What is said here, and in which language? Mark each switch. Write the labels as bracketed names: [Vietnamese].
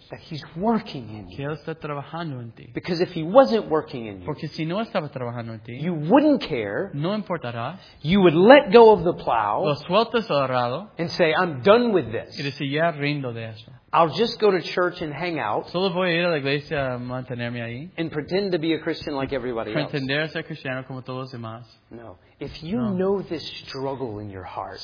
[English] That He's working in you. [Spanish] Que Él está trabajando en ti. [English] Because if He wasn't working in you. [Spanish] Porque si no estaba trabajando en ti. [English] You wouldn't care. [Spanish] No importarás. [English] You would let go of the plow. [Spanish] Lo sueltas al arado. [English] And say, I'm done with this. [Spanish] Y decir, ya rindo de eso. [English] I'll just go to church and hang out. [Spanish] Solo voy a ir a la iglesia a mantenerme ahí. [English] And pretend to be a Christian like everybody else. [Spanish] Pretender ser cristiano como todos los demás. [English] No. If you know this struggle in your heart.